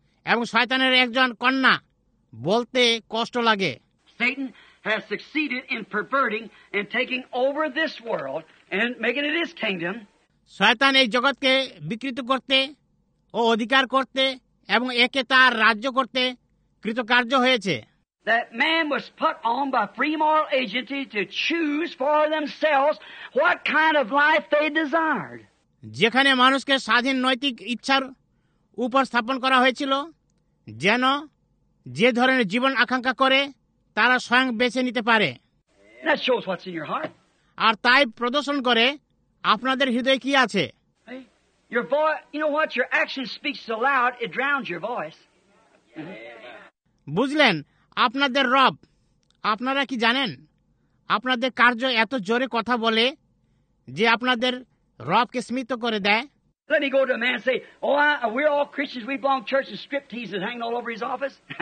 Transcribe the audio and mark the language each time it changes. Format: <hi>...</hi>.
<bn>এবং শয়তানের একজন কন্যা বলতে কষ্ট লাগে।</bn> <en>Satan has succeeded in perverting and taking over this world and making it his kingdom.</en> <bn>শয়তান এই জগৎকে বিকৃত করতে ও অধিকার করতে এবং একে তার রাজ্য করতে কৃতকার্য হয়েছে।</bn> <en>That man was put on by free moral agency to choose for themselves what kind of life they desired.</en> <bn>যেখানে মানুষকে স্বাধীন নৈতিক ইচ্ছার উপর স্থাপন করা হয়েছিল যেন যে ধরনের জীবন আকাঙ্ক্ষা করে তারা স্বয়ং বেছে নিতে পারে।</bn> <en>That shows what's in your heart.</en> <bn>আর তাই প্রদর্শন করে আপনাদের হৃদয়ে কি আছে।</bn> <en>Your voice, you know what, your action speaks so loud, it drowns your voice.</en> <bn>বুঝলেন আপনাদের রব, আপনারা কি জানেন আপনাদের কার্য এত জোরে কথা বলে যে আপনাদের রবকে স্মৃত করে দেয়।</bn> <en>Let me go to a man and say, we're all Christians, we belong to church, and strip tease is hanging all over his office.</en>